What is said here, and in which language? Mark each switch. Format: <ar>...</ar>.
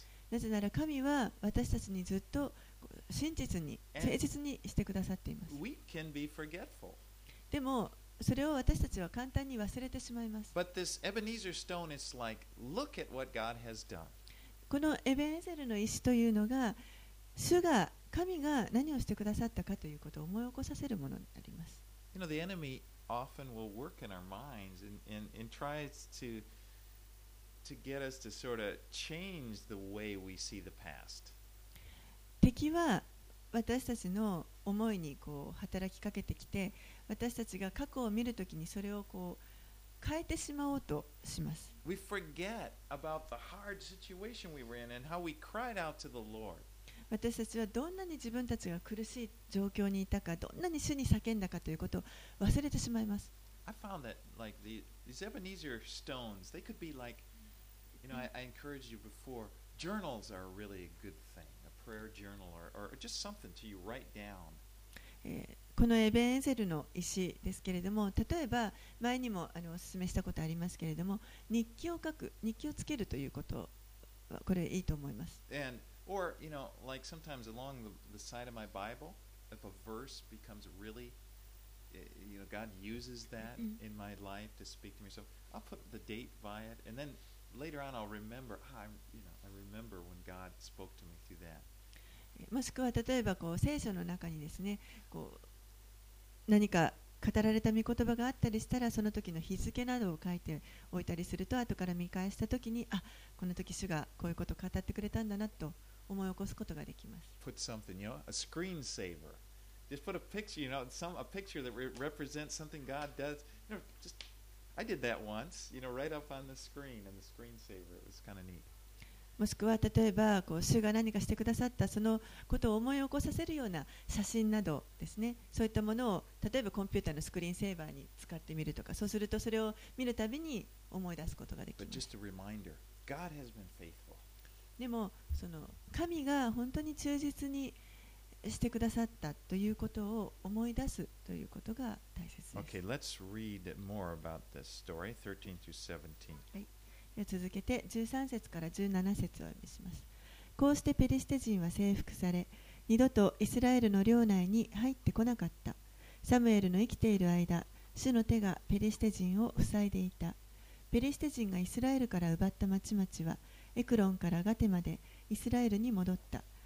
<ja>なぜなら神は私たちにずっと真実に誠実にしてくださっています。</ja> <en>We can be forgetful.</en> <ja>でもそれを私たちは簡単に忘れてしまいます。</ja> <en>But this Ebenezer stone is like, look at what God has done.</en> <ja>このエベンエゼルの石というのが主が神が何をしてくださったかということを思い起こさせるものになります。</ja> <en>You know, the enemy often will work in our minds and tries to get us to sort of change the way we see the past.</en> <ja>敵は私たちの思いにこう働きかけてきて、私たちが過去を見るときにそれをこう変えてしまおうとします。</ja> <en>We forget about the hard situation we were in and how we cried out to the Lord.</en> <ja>私たちはどんなに自分たちが苦しい状況にいたか、どんなに主に叫んだかということを忘れてしまいます。</ja> <en>I found that like these Ebenezer stones, they could be like, you know, I encouraged you before. Journals are really a good thing, a prayer journal or just something to you write down.</en> <ja>このエベンエゼルの石ですけれども、例えば前にもお勧めしたことありますけれども、日記を書く、日記をつけるということはこれいいと思います。</ja> <en>Or, you know, like sometimes along the side of my Bible, if a verse becomes really, you know, God uses that in my life to speak to me. So I'll put the date by it. And then later on I'll remember, I remember when God spoke to me through that.</en> <ja>もしくは例えばこう聖書の中にですね、こう何か語られた御言葉があったりしたら、その時の日付などを書いておいたりすると、後から見返した時に、あ、この時主がこういうことを語ってくれたんだなと思い起こすことができます。</ja> <en>Put something, you know, a screensaver. Just put a picture, you know, a picture that represents something God does. You know, just, I did that once, you know, right up on the screen, and the screensaver. It was kind of neat.</en> <ja>もしくは例えばこう主が何かしてくださったそのことを思い起こさせるような写真などですね、そういったものを例えばコンピューターのスクリーンセーバーに使ってみるとか、そうするとそれを見るたびに思い出すことができます。</ja> <en>But just a reminder, God has been faithful.</en> <ja>でもその神が本当に忠実にしてくださったということを思い出すということが大切です。</ja> <en>Okay, let's read more about this story, 13 through 17.</en> <ja>はい、続けて13節から17節を読みします。こうしてペリシテ人は征服され、二度とイスラエルの領内に入ってこなかった。サムエルの生きている間、主の手がペリシテ人を塞いでいた。ペリシテ人がイスラエルから奪った町々はエクロンからガテまでイスラエルに戻った。</ja>